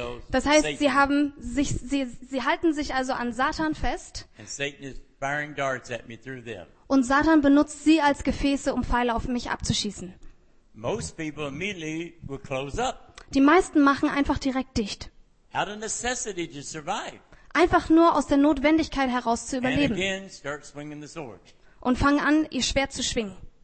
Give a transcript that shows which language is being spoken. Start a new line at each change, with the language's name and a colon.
German: Das heißt, sie halten sich also an Satan fest.
English: And Satan is firing darts at me through them.
German: Und Satan benutzt sie als Gefäße, um Pfeile auf mich abzuschießen.
English: Most people immediately will close up.
German: Die meisten machen einfach direkt dicht.
English: Out of necessity to survive.
German: Einfach nur aus der Notwendigkeit heraus zu überleben.
English: And again, start swinging the sword.
German: Und fangen an, ihr Schwert zu schwingen.